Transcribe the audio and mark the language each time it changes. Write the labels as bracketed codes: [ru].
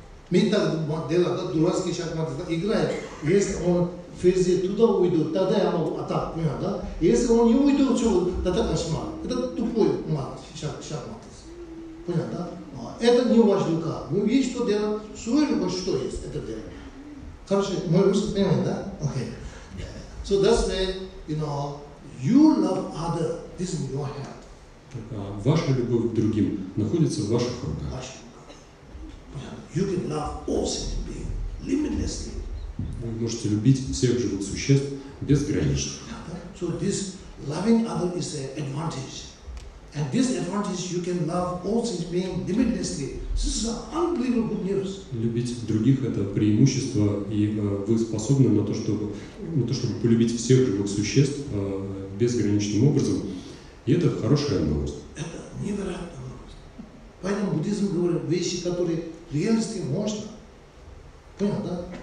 [ru] Мы так делаем, да, дурацкий шахмат играет. Если он физи туда уйдет, тогда я могу атак. Понятно, да? Если он не уйдет, то это кошмар. Это тупой шахмат. Понятно, да? А, это не ваш рука. Мы видим, что делаем, свой рука, что есть, это делаем. Хорошо, мой русский понимает, да? Окей. [en] So that's why, you know, you love other, this is your heart. [ru] Ваша любовь к другим находится в ваших руках. Ваша рука. [en] You can love all sentient beings, limitlessly. [ru] Вы можете любить всех живых существ безгранично. [en] So this loving other is an advantage. And this advantage you can love all sentient beings limitlessly. This is unbelievable good news. [ru] Любить других это преимущество, и вы способны на то, чтобы полюбить всех живых существ безграничным образом. И это хорошая новость. Это невероятная новость. Поэтому буддизм говорит вещи, которые реальности можно. Понятно, да?